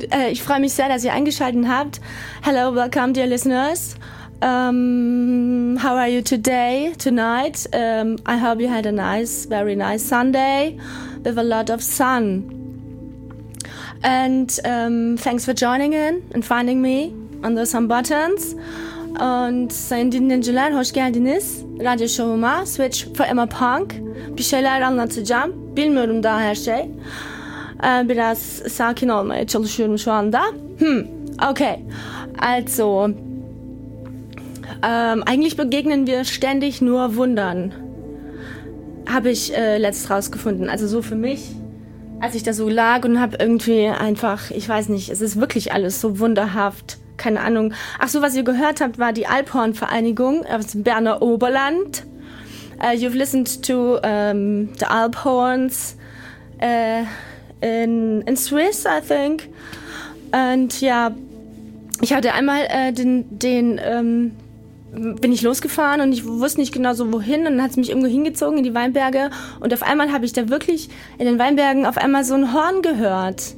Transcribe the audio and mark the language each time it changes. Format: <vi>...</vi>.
<de>Ich freue mich sehr, dass ihr eingeschaltet habt.</de> <en>Hello, welcome, dear listeners. How are you today, tonight? I hope you had a nice, very nice Sunday with a lot of sun. And thanks for joining in and finding me under some buttons.</en> <de>Und</de> <tr>sayın dinleyiciler, hoş geldiniz radyo şovuma, Switch for Emma Punk. Bir şeyler anlatacağım, bilmiyorum daha her şey. Biraz sakin olmaya çalışıyorum şu anda.</tr> <de>Okay, also, eigentlich begegnen wir ständig nur Wundern, habe ich letztens rausgefunden, also so für mich. Als ich da so lag und habe irgendwie einfach, ich weiß nicht, es ist wirklich alles so wunderhaft, keine Ahnung. Ach so, was ihr gehört habt, war die Alphorn-Vereinigung aus dem Berner Oberland.</de> <en>You've listened to the Alphorns in Swiss, I think.</en> <de>Und ja, ich hatte einmal bin ich losgefahren und ich wusste nicht genau so wohin und dann hat es mich irgendwo hingezogen in die Weinberge und auf einmal habe ich da wirklich in den Weinbergen auf einmal so ein Horn gehört.</de>